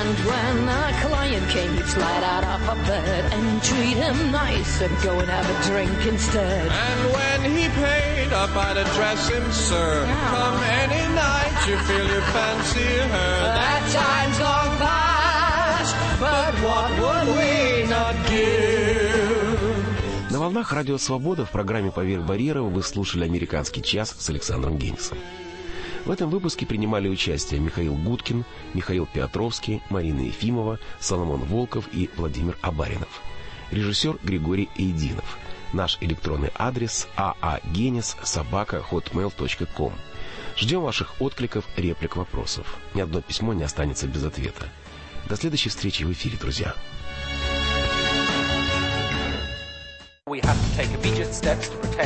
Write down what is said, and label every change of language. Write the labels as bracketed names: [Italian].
[English] And when a client came, you'd slide out of a bed and treat him nice and go and have a drink instead. And when he paid up, I'd address him, sir. Yeah. Come any night, you feel you fancy her. That time's long past, but what would we not give? [Russian] На волнах Радио Свобода в программе «Поверх барьеров» вы слушали «Американский час» с Александром Генисом. В этом выпуске принимали участие Михаил Гудкин, Михаил Петровский, Марина Ефимова, Соломон Волков и Владимир Абаринов. Режиссер Григорий Эйдинов. Наш электронный адрес aagenis@hotmail.com. Ждем ваших откликов, реплик, вопросов. Ни одно письмо не останется без ответа. До следующей встречи в эфире, друзья. [English] We have to take immediate steps to protect